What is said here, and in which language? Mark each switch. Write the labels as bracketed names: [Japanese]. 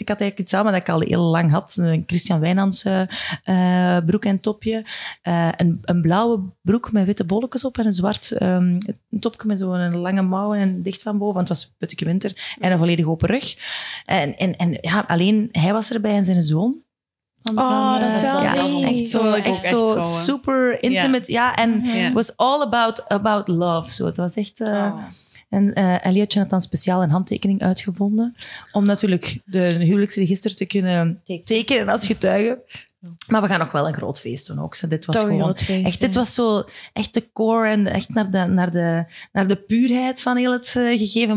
[Dutch] Ik had eigenlijk iets aan, maar dat ik al heel lang had. Een Christian Wijnands broek en topje. Een blauwe broek met witte bolletjes op en een zwart topje met zo'n lange mouw en dicht van boven. Want het was putteke winter en een volledig open rug. En alleen hij was erbij en zijn zoon. Dat is wel lief. Echt zo super intimate. [English] Yeah. Ja, en it was all about love. [Dutch] So, het was echt... En Elliotje had dan speciaal een handtekening uitgevonden om natuurlijk de huwelijksregister te kunnen tekenen als getuige. Maar we gaan nog wel een groot feest doen ook. Dit was zo echt de core en echt naar de puurheid van heel het gegeven.